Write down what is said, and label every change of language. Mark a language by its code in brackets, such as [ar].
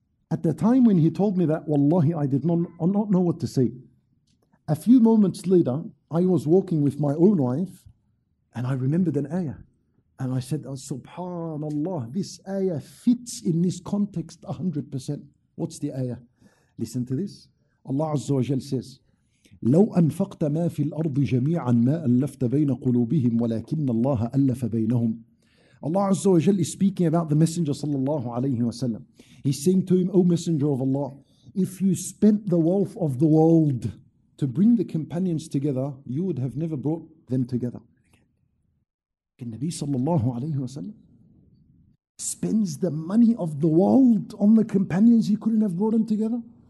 [en] At the time when he told me that, Wallahi, I did not know what to say. A few moments later, I was walking with my own wife, and I remembered an ayah. And I said, oh, Subhanallah, this ayah fits in this context 100%. What's the ayah? Listen to this. Allah Azza wa Jal says, [ar] لو أنفقت ما في الأرض جميعا ما ألفت بين قلوبهم ولكن الله ألف بينهم. [en] Allah Azza wa Jal is speaking about the Messenger sallallahu alayhi wa sallam. He's saying to him, O Messenger of Allah, if you spent the wealth of the world to bring the companions together, you would have never brought them together. Can Nabi sallallahu alayhi wa sallam spends the money of the world on the companions, he couldn't have brought them together?